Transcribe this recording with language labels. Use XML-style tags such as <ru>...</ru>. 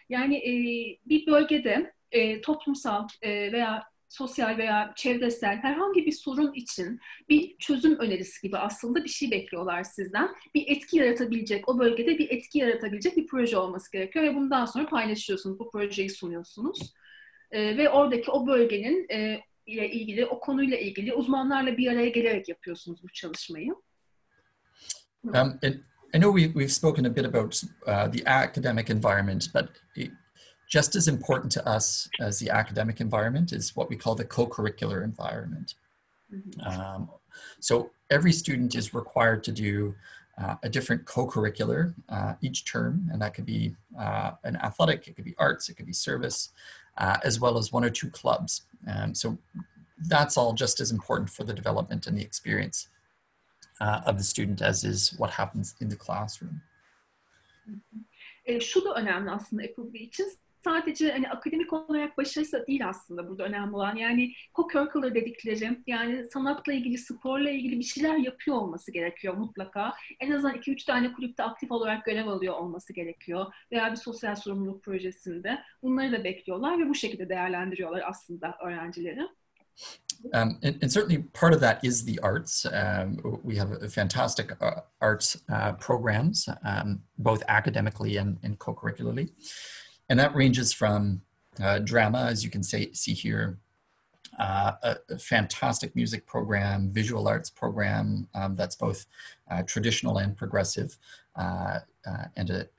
<tr>Yani bir bölgede toplumsal veya sosyal veya çevresel herhangi bir sorun için bir çözüm önerisi gibi aslında bir şey bekliyorlar sizden. Bir etki yaratabilecek, o bölgede bir etki yaratabilecek bir proje olması gerekiyor. Ve bundan sonra paylaşıyorsunuz, bu projeyi sunuyorsunuz. Ve oradaki o bölgenin ile ilgili, o konuyla ilgili uzmanlarla bir araya gelerek yapıyorsunuz bu çalışmayı.</tr> <en>I know we've spoken a bit about the academic environment, but just as important to us as the academic environment is what we call the co-curricular environment. Mm-hmm. So every student is required to do a different co-curricular each term, and that could be an athletic, it could be arts, it could be service, as well as one or two clubs. So that's all just as important for the development and the experience of the student as is what happens in the classroom.</en> <tr>Şu da önemli aslında Appleby için. Sadece hani akademik olarak başarısı değil aslında burada önemli olan. Yani co-curricular dedikleri, yani sanatla ilgili, sporla ilgili bir şeyler yapıyor olması gerekiyor mutlaka. En azından 2-3 tane kulüpte aktif olarak görev alıyor olması gerekiyor. Veya bir sosyal sorumluluk projesinde. Bunları da bekliyorlar ve bu şekilde değerlendiriyorlar aslında öğrencileri.</tr> <en>And certainly part of that is the arts. We have fantastic arts programs, both academically and co-curricularly. And that ranges from drama, as you can see here, a fantastic music program, visual arts program that's both traditional and progressive, and a</en>